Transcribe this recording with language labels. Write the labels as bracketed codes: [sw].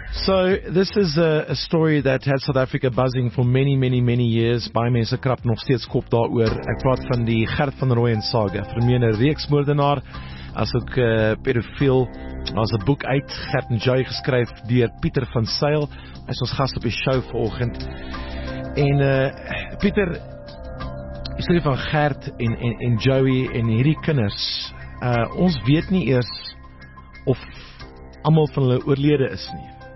[en] So this is a story that had South Africa buzzing for many, many, many years. [af] Baie mense krap nog steeds kop daaroor. Ek praat van die Gert van Rooyen saga. Vermeende reeksmoordenaar, as ook pedofiel. Daar's 'n boek uit, Gert en Joy, geskryf deur Pieter van Sail. Hy is ons gas op die show vanoggend. En Pieter, die storie van Gert en Joey en hierdie kinders. Ons weet nie eers of almal van hulle oorlede is nie.